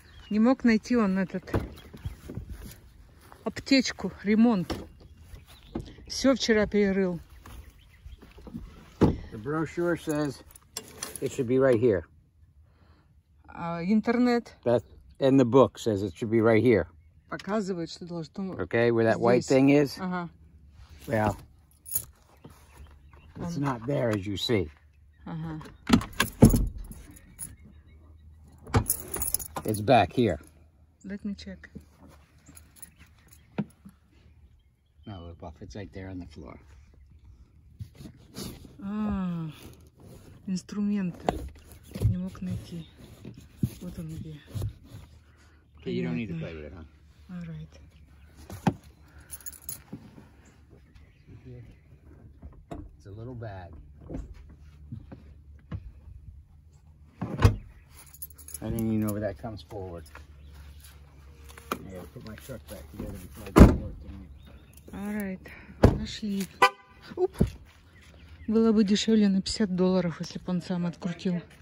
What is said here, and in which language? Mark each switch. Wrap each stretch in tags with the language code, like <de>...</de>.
<ru>Не мог найти он этот аптечку, ремонт. Все вчера перерыл.</ru> <en>The brochure says it should be right here.</en> <ru>Интернет.</ru> <en>That, and the book says it should be right here.</en> <ru>Показывает, что должно.</ru> <en>Okay, where that</en> <ru>здесь.</ru> <en>White thing is? Uh-huh. Well, it's not there as you see. Uh-huh. It's back here. Let me check. No, Buff, it's right there on the floor.</en> <ru>Инструмент. Не мог найти. Вот он где.</ru> <en>Okay, you don't need to play with it, huh? All right. It's a little bag. I didn't even know where that comes forward. I gotta put my truck back together before I go to work, didn't I? All right.</en> <ru>Нашли. Оп. Было бы дешевле на $50, если бы он сам открутил.</ru>